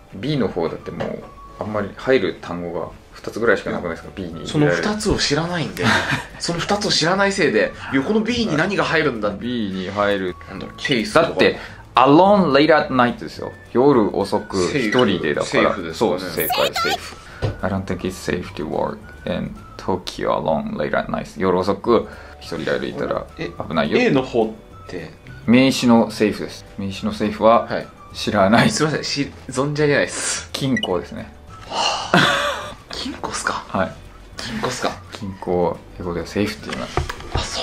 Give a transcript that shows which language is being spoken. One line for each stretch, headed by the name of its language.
Japanese: B の方だってもうあんまり入る単語が2つぐらいしかなくないですか。 B にその2つを知らないんでその2つを知らないせいで横の B に何が入るんだ。 B に入るなんだケースだって、Alone late at night ですよ。夜遅く一人でだから、そうです、正解、セーフ。
English: I don't think it's safe to work in Tokyo alone late at night。
Japanese: 夜遅く一人で歩いたら危ないよ。 A の方って名詞のセーフです。名詞のセーフは知らない、はい、すいません、存じ上げないです。金庫ですね。金庫っすか。はい、金庫っすか。金庫は英語ではセーフって言います。